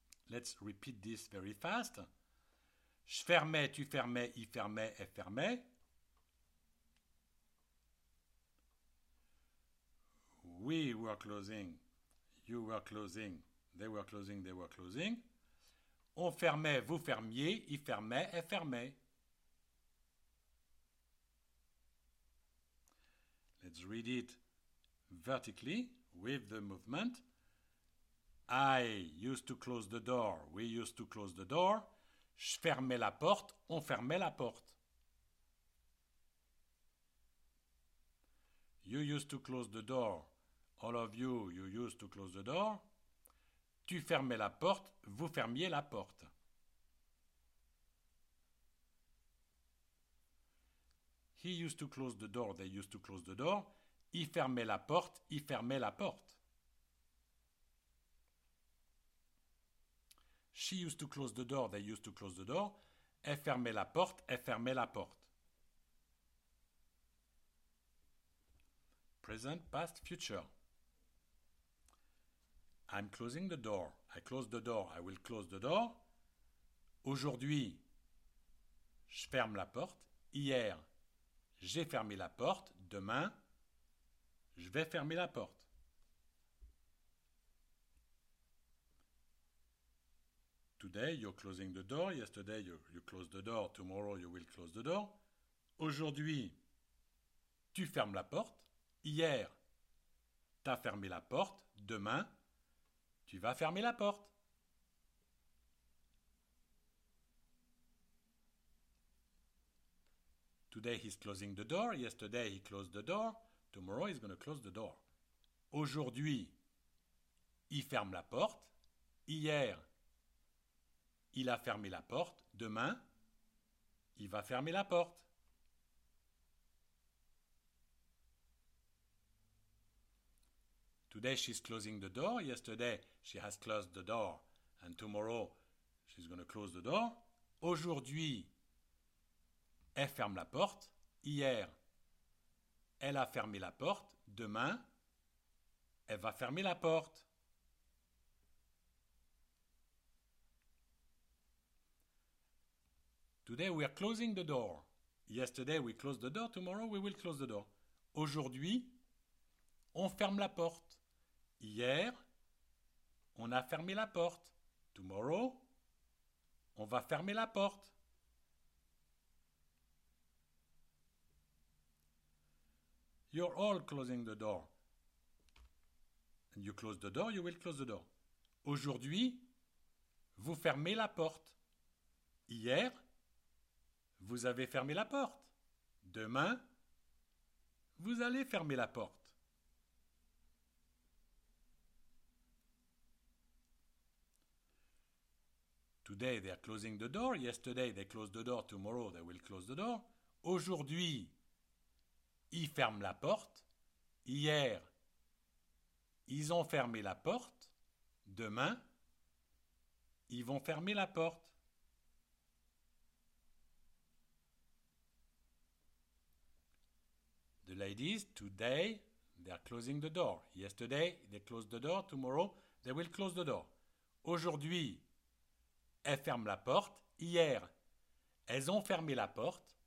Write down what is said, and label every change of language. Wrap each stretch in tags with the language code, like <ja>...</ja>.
<en>Let's repeat this very fast.</en> <fr>Je fermais, tu fermais, il fermait, elle fermait.</fr> <en>We were closing. You were closing. They were closing, they were closing.</en> <fr>On fermait, vous fermiez, il fermait, elle fermait.</fr> <en>Let's read it vertically. With the movement, I used to close the door, we used to close the door,</en> <fr>je fermais la porte, on fermait la porte.</fr> <en>You used to close the door, all of you, you used to close the door,</en> <fr>tu fermais la porte, vous fermiez la porte.</fr> <en>He used to close the door, they used to close the door.</en> <fr>Il fermait la porte, il fermait la porte.</fr> <en>She used to close the door, they used to close the door.</en> <fr>Elle fermait la porte, elle fermait la porte.</fr> <en>Present, past, future. I'm closing the door. I close the door, I will close the door.</en> <fr>Aujourd'hui, je ferme la porte. Hier, j'ai fermé la porte. Demain, je vais fermer la porte.</fr> <en>Today, you're closing the door. Yesterday, you close the door. Tomorrow, you will close the door.</en> <fr>Aujourd'hui, tu fermes la porte. Hier, tu as fermé la porte. Demain, tu vas fermer la porte.</fr> <en>Today, he's closing the door. Yesterday, he closed the door. Tomorrow, he's going to close the door.</en> <fr>Aujourd'hui, il ferme la porte. Hier, il a fermé la porte. Demain, il va fermer la porte.</fr> <en>Today, she's closing the door. Yesterday, she has closed the door. And tomorrow, she's going to close the door.</en> <fr>Aujourd'hui, elle ferme la porte. Hier, elle a fermé la porte. Demain, elle va fermer la porte.</fr> <en>Today, we are closing the door. Yesterday, we closed the door. Tomorrow, we will close the door.</en> <fr>Aujourd'hui, on ferme la porte. Hier, on a fermé la porte.</fr> <en>Tomorrow,</en> <fr>on va fermer la porte.</fr> <en>You're all closing the door. And you close the door, you will close the door.</en> <fr>Aujourd'hui, vous fermez la porte. Hier, vous avez fermé la porte. Demain, vous allez fermer la porte.</fr> <en>Today, they are closing the door. Yesterday, they closed the door. Tomorrow, they will close the door.</en> <fr>Aujourd'hui, ils ferment la porte. Hier, ils ont fermé la porte. Demain, ils vont fermer la porte.</fr> <en>The ladies, today, they are closing the door. Yesterday, they closed the door. Tomorrow, they will close the door.</en> <fr>Aujourd'hui, elles ferment la porte. Hier, elles ont fermé la porte.</fr>